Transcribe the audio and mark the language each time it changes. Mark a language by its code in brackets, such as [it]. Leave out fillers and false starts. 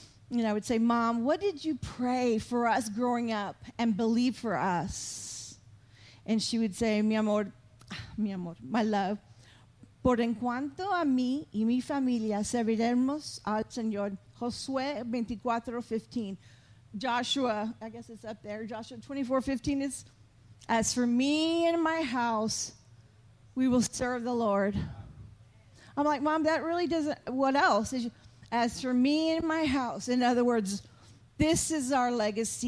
[en] And I would say, Mom, what did you pray for us growing up and believe for us? And she would say, [es] mi amor, [en] my love. [es] Por en cuanto a mí y mi familia, serviremos al Señor. Josué 24:15. [en] Joshua, I guess it's up there. Joshua 24:15 is, as for me and my house, we will serve the Lord. I'm like, Mom, that really doesn't, what else? As for me and my house, in other words, this is our legacy.